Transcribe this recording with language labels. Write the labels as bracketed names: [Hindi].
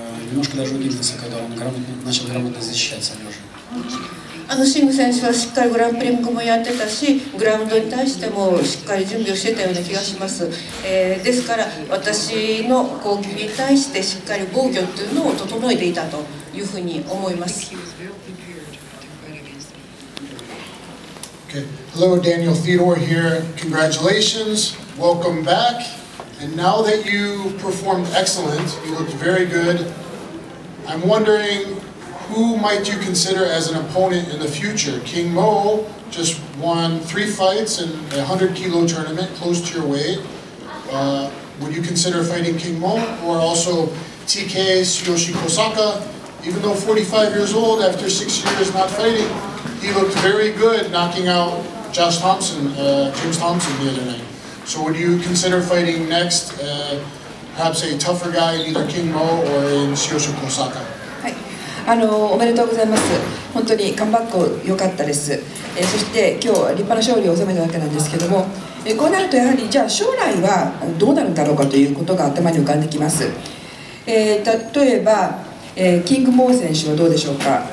[Russian] Немножко даже удивился, когда он начал грамотно защищаться. [Japanese] シング選手はしっかりグランプリングもやってたし、グラウンドに対してもしっかり準備をしてたような気がします。ですから、私の攻撃に対してしっかり防御というのを整えていたというふうに思います。 [English] Okay. Hello, Daniel Theodore here. Congratulations. Welcome back. And now that you performed excellent, you looked very good. I'm wondering. Who might you consider as an opponent in the future? King Mo just won 3 fights in a 100 kilo tournament close to your weight. Would you consider fighting King Mo or also TK Tsuyoshi Kosaka? Even though 45 years old, after 6 years not fighting, he looked very good knocking out Josh Thompson, James Thompson the other night. So would you consider fighting next, perhaps a tougher guy, either King Mo or in Tsuyoshi Kosaka? [Japanese] おめでとうございます。本当にカムバック良かったです。そして今日立派な勝利を収めたわけなんですけども、こうなるとやはりじゃあ将来はどうなるんだろうかということが頭に浮かんできます。例えば、キング・モー選手はどうでしょうか。